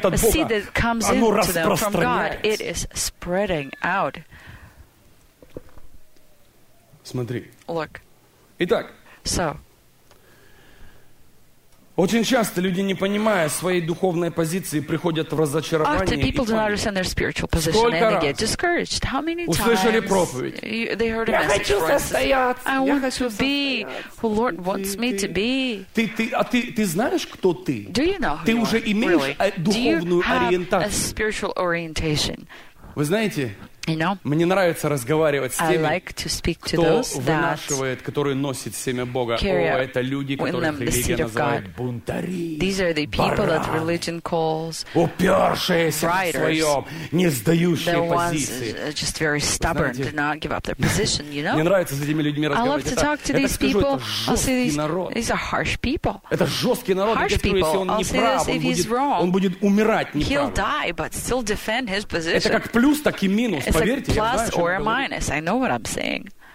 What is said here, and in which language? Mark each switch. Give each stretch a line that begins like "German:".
English: a seed that comes into them from God, it is spreading out.
Russian: Смотри.
English: Look.
Russian: Итак.
English: So.
Russian: Очень часто люди, не понимая своей духовной позиции, приходят в разочарование.
English: Often people do not understand their spiritual position and they get discouraged. How many times?
Russian: Услышали проповедь.
English: They heard a message.
Russian: Я хочу состояться.
English: I want to be who Lord wants me to be.
Russian: Ты знаешь, кто ты?
English: Do you know who
Russian: ты уже имеешь духовную ориентацию?
English: Do you have a spiritual orientation?
Russian: Вы знаете?
English: You know,
Russian: мне нравится разговаривать с теми,
English: like to speak to
Russian: кто вынашивает, который носит семя Бога. О, это люди, которых религия называет бунтари,
English: these are the people that religion calls
Russian: упершиеся в своем, не сдающие позиции.
English: Just very stubborn, do not give up their position, you know?
Russian: Мне нравится с этими людьми разговаривать.
English: I love to talk to these people. These are harsh people.
Russian: Это жесткий народ.
English: Harsh people. I'll say this if he's wrong.
Russian: Он будет умирать неправ.
English: He'll die, but still defend his position.
Russian: Это как плюс, так и минус.
English: It's
Russian: поверьте,
English: a plus
Russian: знаю,
English: or a minus. I know what I'm saying.